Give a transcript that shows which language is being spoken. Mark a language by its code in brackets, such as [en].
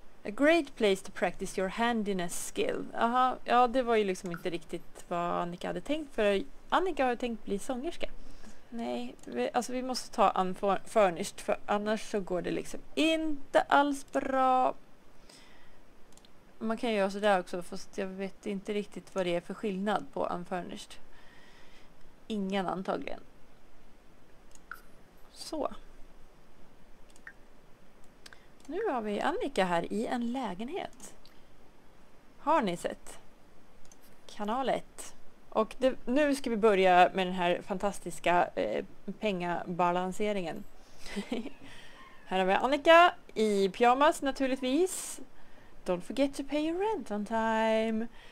[en] A great place to practice your handiness skill. [sv] Aha, ja, det var ju liksom inte riktigt vad Annika hade tänkt. För Annika har ju tänkt bli sångerska. Nej, vi måste ta unfurnished. För annars så går det liksom inte alls bra. Man kan ju göra sådär också. Fast jag vet inte riktigt vad det är för skillnad på unfurnished. Ingen antagligen. Så. Nu har vi Annika här i en lägenhet. Har ni sett? Kanal 1. Och det, nu ska vi börja med den här fantastiska pengabalanseringen. Här har vi Annika i pyjamas naturligtvis. [en] Don't forget to pay your rent on time.